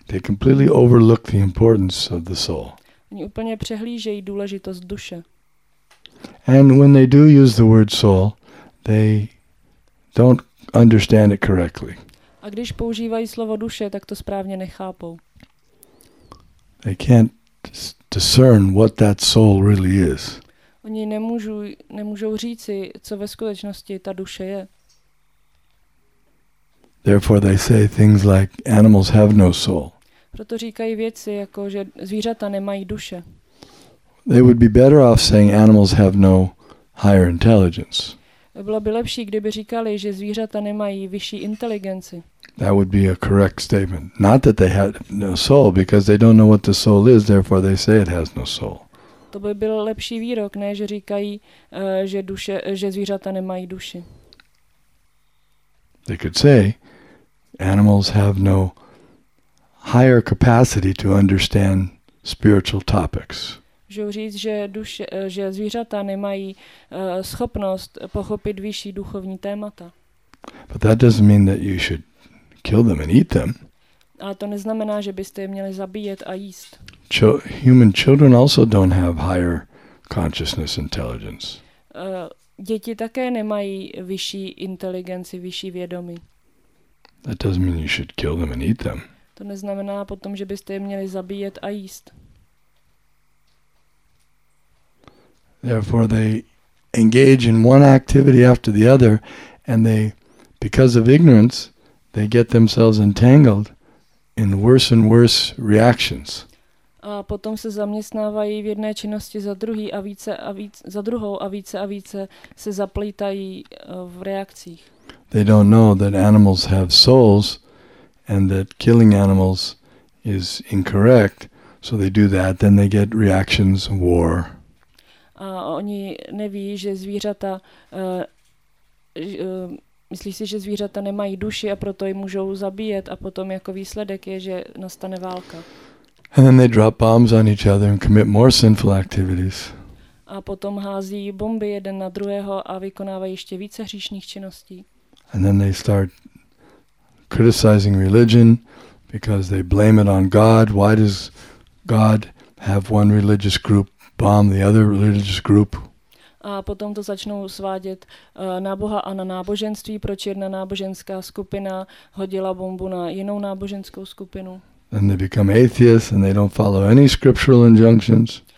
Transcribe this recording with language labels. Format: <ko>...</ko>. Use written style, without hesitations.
<en>They completely overlook the importance of the soul.</en> <cs>Oni úplně přehlížejí důležitost duše.</cs> <en>And when they do use the word soul, they don't understand it correctly.</en> <cs>A když používají slovo duše, tak to správně nechápou.</cs> <en>They can't discern what that soul really is.</en> <cs>Oni nemůžou říci, co ve skutečnosti ta duše je.</cs> <en>Therefore they say things like animals have no soul.</en> <cs>Proto říkají věci jako, že zvířata nemají duše.</cs> <en>They would be better off saying animals have no higher intelligence.</en> <cs>Bylo by lepší, kdyby říkali, že zvířata nemají vyšší inteligenci.</cs> <en>That would be a correct statement. Not that they have no soul, because they don't know what the soul is, therefore they say it has no soul.</en> <cs>To by byl lepší výrok, ne, že říkají, že zvířata nemají duši.</cs> <en>They could say animals have no higher capacity to understand spiritual topics.</en> <cs>Můžu říct, že zvířata nemají schopnost pochopit vyšší duchovní témata.</cs> <en>But that doesn't mean that you should kill them and eat them.</en> <cs>A to neznamená, že byste je měli zabíjet a jíst.</cs> <en>Human children also don't have higher consciousness intelligence.</en> <cs>Děti také nemají vyšší inteligenci, vyšší vědomí.</cs> <en>That doesn't mean you should kill them and eat them.</en> <cs>To neznamená potom, že byste je měli zabíjet a jíst.</cs> <en>Therefore they engage in one activity after the other and they, because of ignorance, they get themselves entangled in worse and worse reactions.</en> <cs>A potom se zaměstnávají v jedné činnosti za druhý a více a více za druhou a více se zaplítají v reakcích.</cs> <en>They don't know that animals have souls and that killing animals is incorrect, so they do that, then they get reactions, war.</en> <cs>A oni neví, že zvířata myslí si, že zvířata nemají duši a proto je můžou zabíjet a potom jako výsledek je, že nastane válka.</cs> <en>And then they drop bombs on each other and commit more sinful activities.</en> <cs>A potom hází bomby jeden na druhého a vykonávají ještě více hříšných činností.</cs> <en>And then they start criticizing religion because they blame it on God. Why does God have one religious group bomb the other religious group?</en> <cs>A potom to začnou svádět na Boha a na náboženství, proč jedna náboženská skupina hodila bombu na jinou náboženskou skupinu.</cs> <en>And they become atheists and they don't follow any scriptural injunctions.</en>